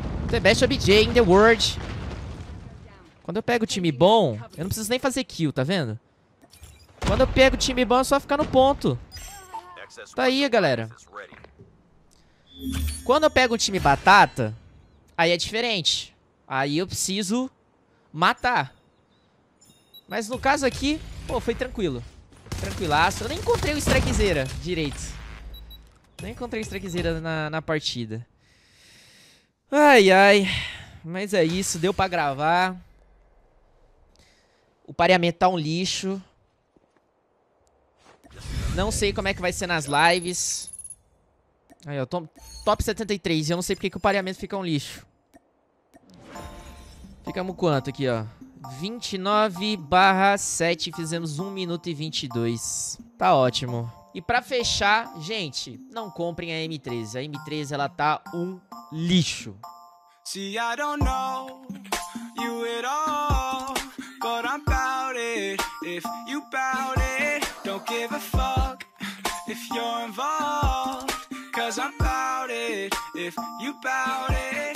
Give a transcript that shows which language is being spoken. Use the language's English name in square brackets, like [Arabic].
[English] The best OBJ in the world. [Portuguese] Quando eu pego time bom, eu não preciso nem fazer kill, tá vendo? Quando eu pego time bom, é só ficar no ponto. Tá aí, galera. Quando eu pego um time batata, aí é diferente. Aí eu preciso matar. Mas no caso aqui, pô, foi tranquilo. Tranquilaço. Eu nem encontrei o Strikezera direito. Nem encontrei o Strikezera na partida. Ai, ai. Mas é isso. Deu pra gravar. O pareamento tá um lixo. Não sei como é que vai ser nas lives. Aí, ó. Top 73. Eu não sei porque que o pareamento fica um lixo. Ficamos quanto aqui, ó? 29/7. Fizemos 1 minuto e 22. Tá ótimo. E pra fechar, gente, não comprem a M13. A M13, ela tá um lixo. [English] See, I don't know you at all, but I'm about it. If you about it, don't give a fuck if you're involved, cause I'm about it. If you about it.